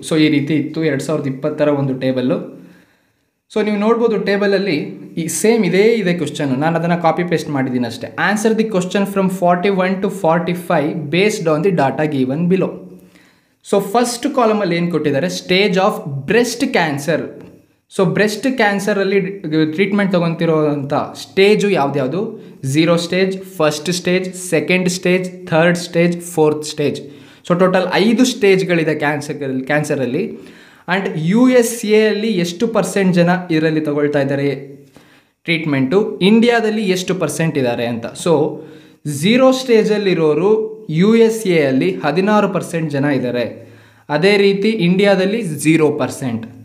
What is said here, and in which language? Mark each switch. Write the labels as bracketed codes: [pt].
[kn] So ಈ ರೀತಿ ಇತ್ತು 2020 ಒಂದು ಟೇಬಲ್ಲು. ಸೊ ನೀವು ನೋಡ್ಬೋದು ಟೇಬಲಲ್ಲಿ ಈ ಸೇಮ್ ಇದೇ ಇದೆ ಕ್ವಶನ್ನು, ನಾನು ಅದನ್ನು ಕಾಪಿ ಪೇಸ್ಟ್ ಮಾಡಿದ್ದೀನಿ ಅಷ್ಟೇ. [en] Answer the question from 41 to 45 based on the data given below. [kn] So first ಕಾಲಮಲ್ಲಿ ಏನು ಕೊಟ್ಟಿದ್ದಾರೆ? Stage of breast cancer. So breast ಕ್ಯಾನ್ಸರಲ್ಲಿ treatment ತೊಗೊತಿರೋವಂಥ stage ಯಾವುದ್ಯಾವುದು? [en] 0 stage, 1st stage, 2nd stage, 3rd stage, 4th stage. [kn] So total 5 stageಗಳಿದೆ ಕ್ಯಾನ್ಸರಲ್ಲಿ. And U S ಎಲ್ಲಿ ಎಷ್ಟು percent ಜನ ಇದರಲ್ಲಿ ತೊಗೊಳ್ತಾ ಇದ್ದಾರೆ treatment, ಇಂಡಿಯಾದಲ್ಲಿ ಎಷ್ಟು ಪರ್ಸೆಂಟ್ ಇದ್ದಾರೆ ಅಂತ. ಸೊ 0 stageಲ್ಲಿರೋರು ಯು ಎಸ್ ಎಲ್ಲಿ 16% ಜನ ಇದ್ದಾರೆ, ಅದೇ ರೀತಿ ಇಂಡಿಯಾದಲ್ಲಿ 0%.